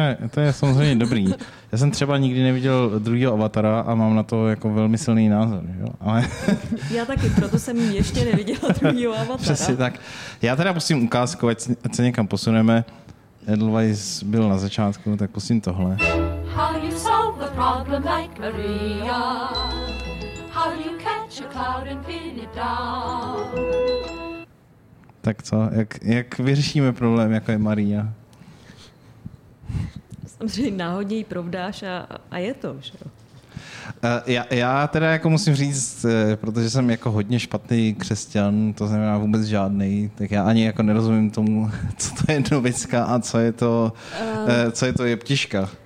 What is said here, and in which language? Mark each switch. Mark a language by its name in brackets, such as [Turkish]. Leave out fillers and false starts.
[Czech] To je samozřejmě dobrý. Já jsem třeba nikdy neviděl druhého Avatara a mám na to jako velmi silný názor. Jo? Ale... Já taky, proto jsem ještě neviděla druhého Avatara. Přesně tak. Já teda musím ukázku, ať se někam posuneme. Edelweiss byl na začátku, tak pustím tohle. [English] How you solve the problem like Maria? How you catch a cloud and pin it down? [Czech] Tak co? Jak vyřešíme problém, jako je Maria? Samozřejmě náhodně ji provdáš a je to, že jo? Já teda jako musím říct, protože jsem jako hodně špatný křesťan, to znamená vůbec žádný, tak já ani jako nerozumím tomu, co to je novická a co je to jeptiška.